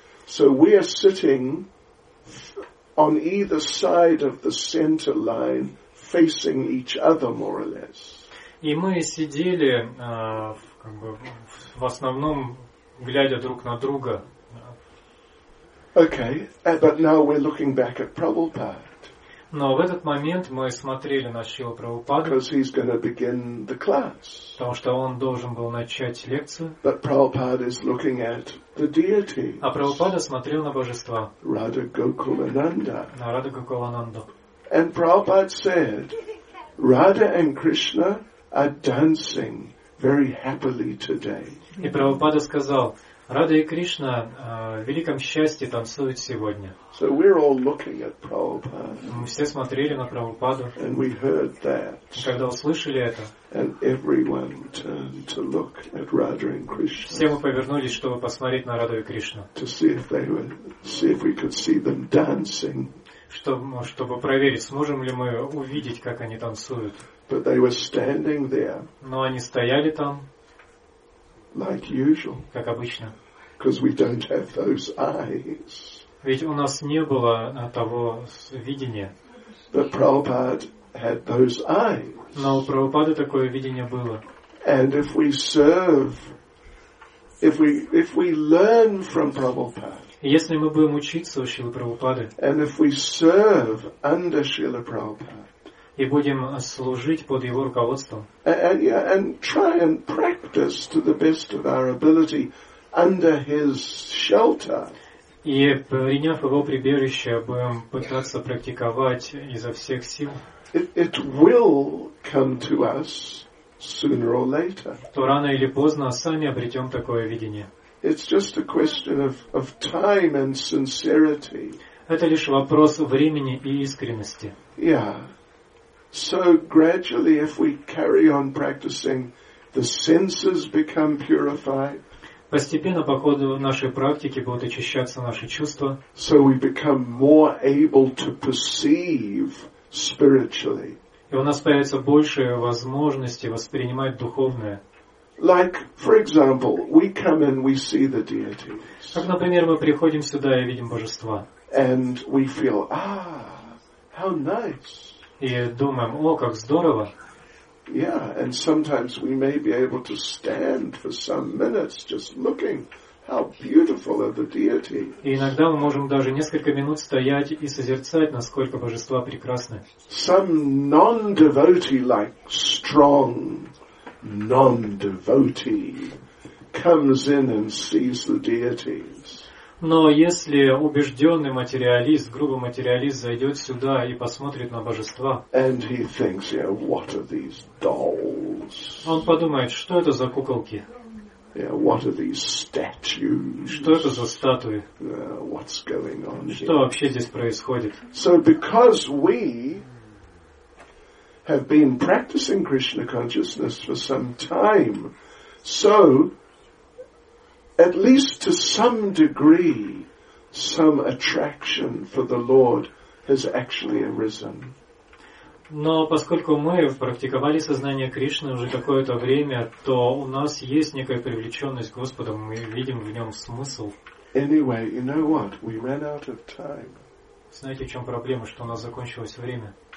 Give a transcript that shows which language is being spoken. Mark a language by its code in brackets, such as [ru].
[en] So we are sitting on either side of the center line, facing each other more or less. [ru] И мы сидели, в основном, глядя друг на друга. [en] Okay, but now we're looking back at Prabhupada. [ru] Но в этот момент мы смотрели на Шрилу Прабхупаду. [en] Because he's going to begin the class. [ru] Потому что он должен был начать лекцию. [en] But Prabhupada is looking at the deity. [ru] А Прабхупада смотрел на божества. [en] Radha Gokulananda. [ru] На Радху Гокулананду. [en] And Prabhupada said, Radha and Krishna are dancing very happily today. [ru] И Прабхупада сказал, Радха и Кришна в великом счастье танцуют сегодня. [en] So we're all looking at Prabhupada. [ru] Мы все смотрели на Прабхупаду. [en] And we heard that. [ru] Когда услышали это, [en] and everyone turned to look at Radha and Krishna. [ru] Все мы повернулись, чтобы посмотреть на Радху и Кришну. [en] To see if they were, see if we could see them dancing. [ru] Чтобы проверить, сможем ли мы увидеть, как они танцуют. [en] But they were standing there. [ru] Но они стояли там. [en] Like usual. [ru] Как обычно. [en] Because we don't have those eyes. [ru] Ведь у нас не было того видения. [en] But Prabhupada had those eyes. [ru] Но у Прабхупады такое видение было. [en] And if we serve, if we learn from Prabhupada. [ru] Если мы будем учиться у Шрилы Прабхупады, [en] and if we serve under Srila Prabhupada, [ru] и будем служить под его руководством, [en] and try and practice to the best of our ability under his shelter, [ru] и приняв его прибежище, будем пытаться практиковать изо всех сил, [en] it will come to us sooner or later. [ru] То рано или поздно сами обретем такое видение. [en] It's just a question of time and sincerity. [ru] Это лишь вопрос времени и искренности. [en] Yeah. So gradually, if we carry on practicing, the senses become purified. [ru] Постепенно по ходу нашей практики будут очищаться наши чувства. [en] So we become more able to perceive spiritually. [ru] И у нас появится больше возможности воспринимать духовное. [en] Like, for example, we come and we see the deities. [ru] Как, например, мы приходим сюда и видим божества. [en] And we feel, ah, how nice. [ru] И думаем, о, как здорово. [en] Yeah, and sometimes we may be able to stand for some minutes just looking. How beautiful are the deities. [ru] И иногда мы можем даже несколько минут стоять и созерцать, насколько божества прекрасны. [en] Some non-devotee, like strong non-devotee, comes in and sees the deities. [ru] Но если убежденный материалист, грубый материалист, зайдет сюда и посмотрит на божества, [en] and he thinks, yeah, what are these dolls? [ru] Он подумает, что это за куколки? [en] Yeah, what are these statues? [ru] Что это за статуи? [en] What's going on here? [ru] Что вообще здесь происходит? [en] So because we have been practicing Krishna consciousness for some time, so at least to some degree, some attraction for the Lord has actually arisen. [ru] Но поскольку мы практиковали сознание Кришны уже какое-то время, то у нас есть некая привлеченность к Господу, мы видим в нем смысл. [en] Anyway, you know what? We ran out of time. [ru] Знаете, в чем проблема, что у нас закончилось время?